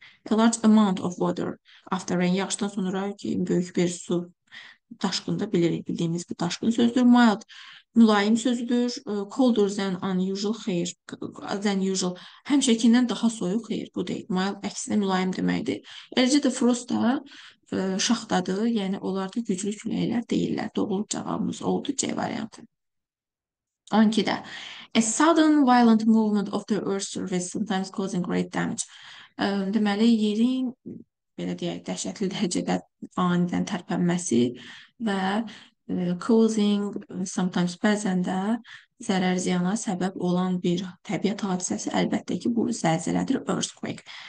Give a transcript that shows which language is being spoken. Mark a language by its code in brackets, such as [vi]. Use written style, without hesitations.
[en] A large amount of water after rain. [az] Yağışdan sonra ki, böyük bir su daşqını da bilirik. Bildiyimiz bu daşqın sözdür. Mild, mülayim sözdür. [en] Colder than unusual, xeyir. Than usual. [az] Həmişəkindən daha soyuq, xeyir. Bu deyil. Mild əksinə mülayim deməkdir. Eləcə də frost da şaxtadır. Yəni, onlar da güclü küləklər deyirlər. Doğru cavabımız oldu C variantı. 12-də. [en] A sudden violent movement of the earth's surface sometimes causing great damage. [az] Deməli, yerin belə deyək, dəhşətli dərəcədə anidən tərpənməsi və [en] causing sometimes [az] bəzən də zərər ziyana səbəb olan bir təbiət hadisəsi əlbəttə ki, bu zəlzələdir, earthquake.